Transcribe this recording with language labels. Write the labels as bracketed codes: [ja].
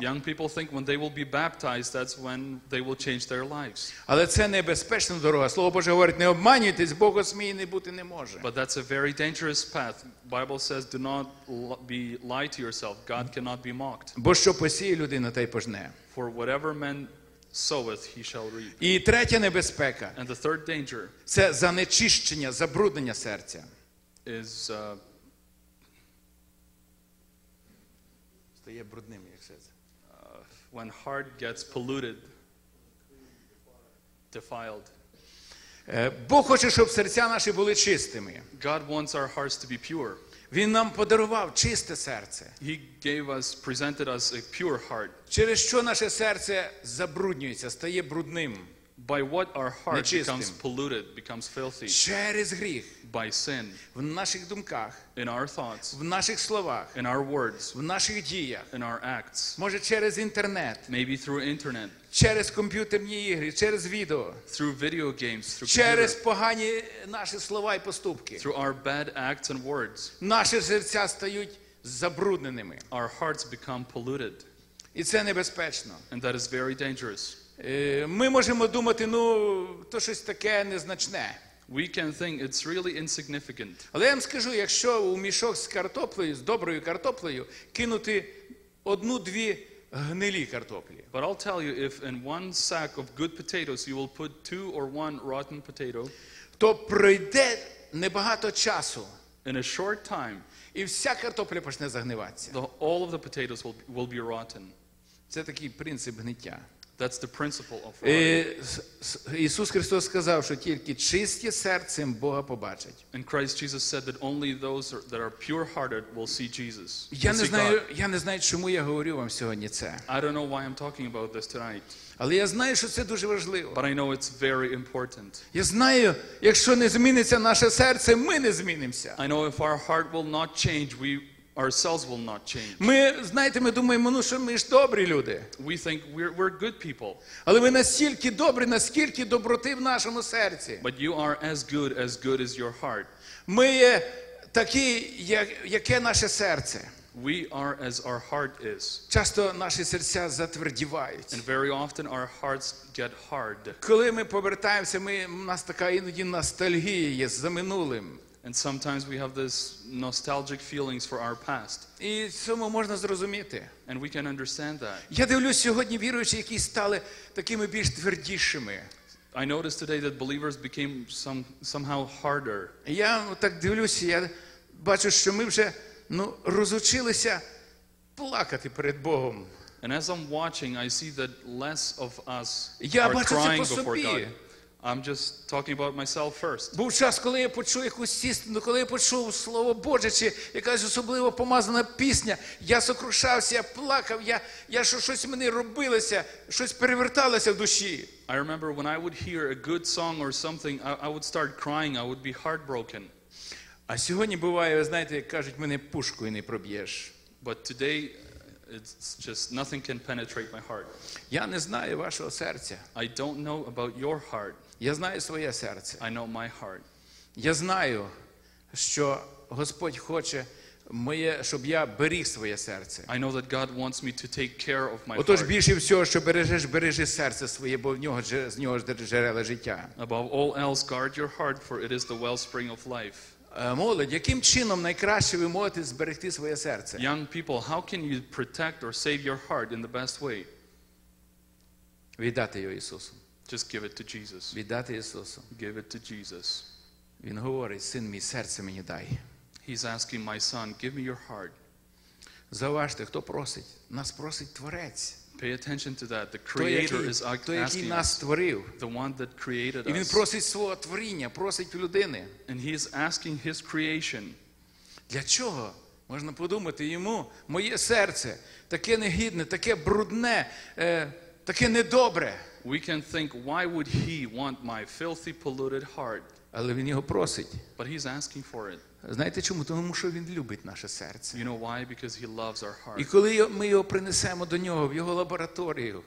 [en] Young people think when they will be baptized, that's when they will change their lives. [uk] Але це небезпечна дорога. Слово Боже говорить: не обманюйтесь, Бога смійний бути не може. [en] But that's a very dangerous path. Bible says do not be lie to yourself. God cannot be mocked. [uk] Бо що посіє людина, те й пожне. [en] For whatever man soweth, he shall reap. [uk] І третя небезпека. [en] And the third danger. [uk] Це занечищення, забруднення серця. [en] Is [uk] стає брудним, як це. [en] When heart gets polluted, defiled. [uk] Бог хоче, щоб серця наші були чистими. [en] God wants our hearts to be pure. [uk] Він нам подарував чисте серце. [en] He gave us, presented us a pure heart. [uk] Через що наше серце забруднюється, стає брудним? [en] By what our heart becomes polluted, becomes filthy. [uk] Через гріх. [en] By sin. [uk] В наших думках. [en] In our thoughts. [uk] В наших словах. [en] In our words. [uk] В наших діях. [en] In our acts. [uk] Може через інтернет. [en] Maybe through internet. [uk] Через комп'ютерні ігри, через відео. [en] Through video games, through [uk] Через погані наші слова і поступки. [en] Through our bad acts and words. [uk] Наші серця стають забрудненими. [en] Our hearts become polluted. [uk] І це небезпечно. [en] And that is very dangerous. [uk] Ми можемо думати, ну, то щось таке незначне. [en] We can think it's really insignificant. [uk] Але я вам скажу, якщо у мішок з картоплею, з доброю картоплею, кинути одну-дві гнилі картоплі. [en] But I'll tell you, if in one sack of good potatoes you will put two or one rotten potato, [uk] то пройде небагато часу. [en] In a short time. [uk] І вся картопля почне загниватися. [en] All of the potatoes will be rotten. [uk] Це такий принцип гниття. [en] That's the principle of right. [uk] Ісус Христос сказав, що тільки чисті серцем Бога побачать. [en] And Christ Jesus said that only those that are pure-hearted will see Jesus. [uk] Я не знаю, чому я говорю вам сьогодні це. [en] I don't know why I'm talking about this tonight. [uk] Але я знаю, що це дуже важливо. [en] But I know it's very important. [uk] Я знаю, якщо не зміниться наше серце, ми не змінимося. [en] I know if our heart will not change, we ourselves will not change. [uk] Ми, знаєте, ми думаємо, ну що ми ж добрі люди. [en] We think we're good people. [uk] Але ви настільки добрі, наскільки доброти в нашому серці. [en] But you are as good as your heart. [uk] Ми є такі, яке наше серце. [en] We are as our heart is. [uk] Часто наші серця затвердівають. [en] And very often our hearts get hard. [uk] Коли ми повертаємося, у нас така іноді ностальгія є за минулим. [en] And sometimes we have this nostalgic feelings for our past. [uk] І цьому можна зрозуміти. [en] And we can understand that. [uk] Я дивлюсь сьогодні віруючих, які стали такими більш твердішими. [en] I noticed today that believers became somehow harder. [uk] Я так дивлюся, я бачу, що ми вже, ну, розучилися плакати перед Богом. [en] And as I'm watching, I see that less of us are crying before God. I'm just talking about myself first. [uk] Був час, коли я почув якусь істину, коли я почув слово Боже чи якась особливо помазана пісня, я сокрушався, я плакав, я щось мені робилося, щось переверталося в душі. [en] I remember when I would hear a good song or something, I would start crying, I would be heartbroken. [uk] А сьогодні буває, ви знаєте, як кажуть, мене пушкою не проб'єш. [en] But today it's just nothing can penetrate my heart. [uk] Я не знаю вашого серця. [en] I don't know about your heart. [uk] Я знаю своє серце. [en] I know my heart. [uk] Я знаю, що Господь хоче моє, щоб я беріг своє серце. [en] I know that God wants me to take care of my heart. [uk] Отож, більше всього, що бережеш, бережи серце своє, бо з нього джерела життя. [en] Above all else, guard your heart, for it is the wellspring of life. [uk] Молодь, яким чином найкраще ви можете зберегти своє серце? [en] Young people, how can you protect or save your heart in the best way? [uk] Віддати його Ісусу. [en] Just give it to Jesus. [uk] Віддати Ісусу. [en] Give it to Jesus. [uk] Він говорить: "Син мій, серце мені дай." [en] He's asking, "My son, give me your heart." [uk] Заважте, хто просить? Нас просить Творець. [en] Pay attention to that. The Creator is asking. [uk] Той, який нас створив. [en] The one that created us. [uk] І він просить свого творіння, просить людини. [en] And he is asking his creation. [uk] Для чого? Можна подумати йому, моє серце таке негідне, таке брудне, таке недобре. [en] We can think, why would he want my filthy, polluted heart? [uk] Але він його просить. [en] But he's asking for it. [uk] Знаєте чому? Тому що він любить наше серце. [en] You know why? Because he loves our heart. [uk] І коли ми його принесемо до нього, в його лабораторію,